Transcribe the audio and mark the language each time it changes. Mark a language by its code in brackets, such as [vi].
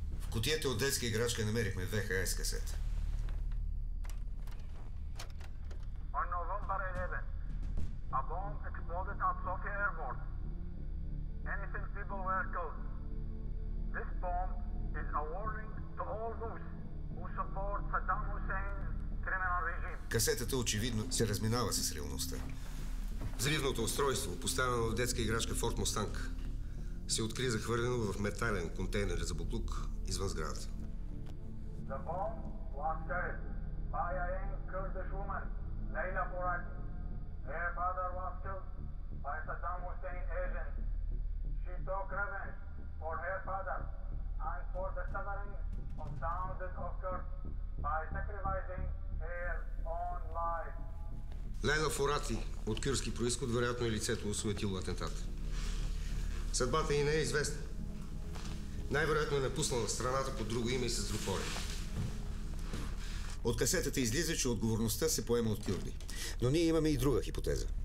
[bg] Кутията от детска играчка намерихме VHS касета. [en] On November 11, a bomb exploded at Sofia Airport. Anything people were killed. This bomb is a warning to all those who support Saddam Hussein's criminal regime. [bg] Касетата очевидно се разминава с реалността. Взривното устройство, поставено в детска играчка Ford Mustang, се откри захвърлено в метален контейнер за буклук извън сградата. The bomb was carried by a young Kurdish woman, Leyla Fourati. Her father was killed by Saddam Hussein agents. She took revenge for her father and for the suffering of thousands of Kurds by sacrificing her own life. Leyla Fourati от кюрски происход, вероятно е лицето осветило атентата. Съдбата ѝ не е известна. Най-вероятно е напуснала страната под друго име и с друг порин. От касетата излиза, че отговорността се поема от кюрди. Но ние имаме и друга хипотеза.